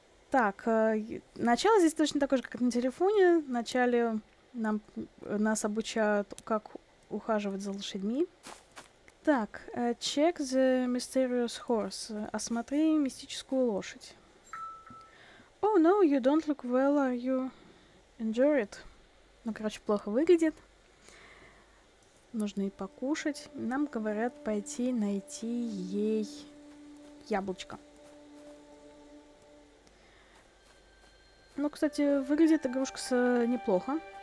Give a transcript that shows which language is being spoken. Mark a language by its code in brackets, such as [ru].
[ru] Так, начало здесь точно такое же, как на телефоне. Вначале нас обучают, как ухаживать за лошадьми. [en] Так, check the mysterious horse. [ru] Осмотри мистическую лошадь. [en] Oh no, you don't look well, are you injured? [ru] Ну, короче, плохо выглядит. Нужно и покушать. Нам говорят пойти найти ей яблочко. Ну, кстати, выглядит игрушка неплохо.